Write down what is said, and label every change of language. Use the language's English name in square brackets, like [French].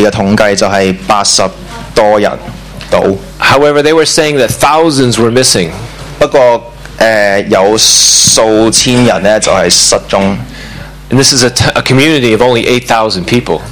[Cantonese] 咁官方一個死亡數字嘅統計就係80多人到。 [English] However, they were saying that thousands were missing. [Cantonese] 不過有數千人咧就係失蹤。 [English] And this is a community of only 8,000 people.